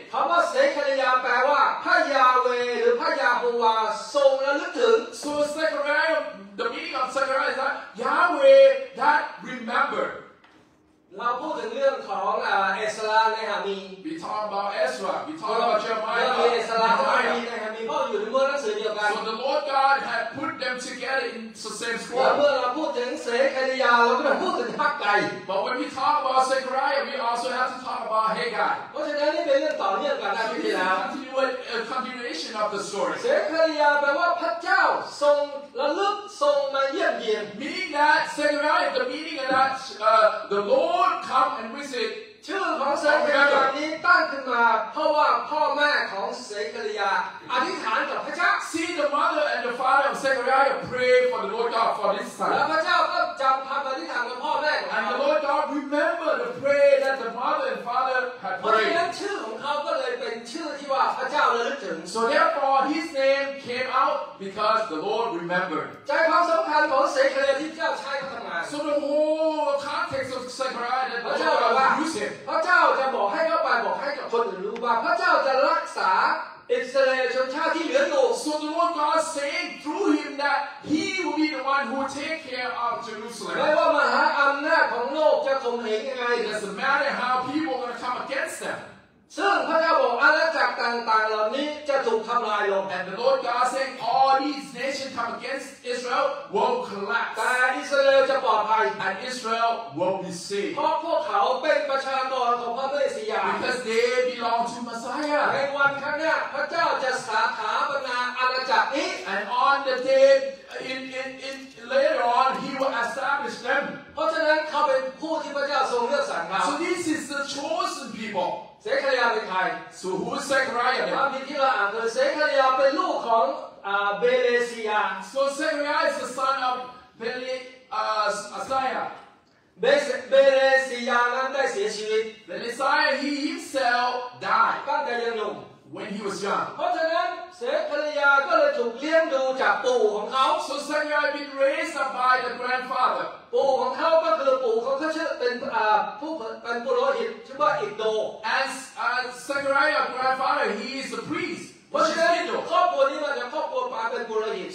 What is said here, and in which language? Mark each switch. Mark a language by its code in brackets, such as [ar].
[th] คำว่าเซคาริยาแปลว่าพระยาเวหรือพระยาโฮวาทรงระลึกถึง [en] So Zechariah, the meaning of Zechariah is that Yahweh that remember. [th] เราพูดถึงเรื่องของเอสราเนฮามี [en] We talk about Ezra. We talk about Jeremiah. [th] เอสราเนฮามีก็อยู่ในเมืองหนังสือเดียวกัน [en] So the Lord God had put them together in the same scroll [th] และเมื่อเราพูดถึงเซคาริยาเราก็ต้องพูดถึงฮักไก [en] But when we talk about Zechariah we also have to talk about Haggai [th] เพราะฉะนั้นนี่เป็นเรื่องต่อเนื่องกันแล้วที่แล้ ว [en] A continuation of the story [th] เซคาริยาแปลว่าพระเจ้าทรงระลึกทรงมาเยี่ยมเยียน [en] Meaning that Zechariah the meaning of that the Lord come and visit [th] ชื่อของเซคาริยานี้ตั้งขึ้นมาเพราะว่าพ่อแม่ของเซคาริยาอธิษฐานกับพระเจ้า [en] See the mother and the father of Zechariah pray for the Lord God for this time [th] และพระเจ้าก็จำคำอธิษฐานกับพ่อแม่ของ [en] And the Lord God remember the prayer that the mother and father had prayed [th] เพราะฉะนั้นชื่อของเขาก็เลยเป็นชื่อที่ว่าพระเจ้าระลึกถึง [en] So therefore his name came out because the Lord remembered [th] ใจความสำคัญของเซคาริยาที่เจ้าใช้เขาทำงาน [en] So the whole context of Zechariah that the Lord God used him [th] พระเจ้าจะบอกให้เขาไปบอกให้กับคนอื่นรู้ว่าพระเจ้าจะรักษาอิสราเอลชนชาติที่เหลืออยู่ [en] So the Lord God saying through him that he will be the one who will take care of Jerusalem [th] ไม่ว่ามหาอำนาจของโลกจะข่มเหงยังไง [en] It doesn't matter how people are going to come against them [th] ซึ่งพระเจ้าบอกอาณาจักรต่างๆเหล่านี้จะถูกทำลายลง [en] And the Lord God saying all these nations come against Israel will collapse [th] แต่อิสราเอลจะปลอด อดภัย [en] and Israel will be saved [th] เพราะพวกเขาเป็นประชากรของพระเมสสิยา [en] because they belong to Messiah [th] ในวันข้างหน้าพระเจ้าจะสถาปนาอาณาจักรนี้ [en] and on the day in later on he will establish them [th] เพราะฉะนั้นเขาเป็นผู้ที่พระเจ้าทรงเลือกสรรมา [en] so this is the chosen people [th] เซคาริยาเป็นใคร [en] So who's Zechariah? [th] ครับมีที่เราอ่านคือเซคาริยาเป็นลูกของเบเลเซีย [en] So Zechariah is the son of Beli Asaiah [th] เบเลเซียนั้นได้เสียชีวิต [en] Then Isaiah he himself died [th] ตั้งแต่ยังหนุ่ม [en] When he was young [th] เพราะฉะนั้นเซคาริยาก็เลยถูกเลี้ยงดูจากปู่ของเขา [en] So Zechariah been raised up by the grandfather [th] ปู่ของเขาก็คือปู่ของเขาชื่อเป็นผู้เป็นปุโรหิตชื่อว่าอิโด [en] As Zechariah's grandfather he is a priest which is Ido [th] ครอบครัวนี้มาจากครอบครัวปาเป็นปุโรหิต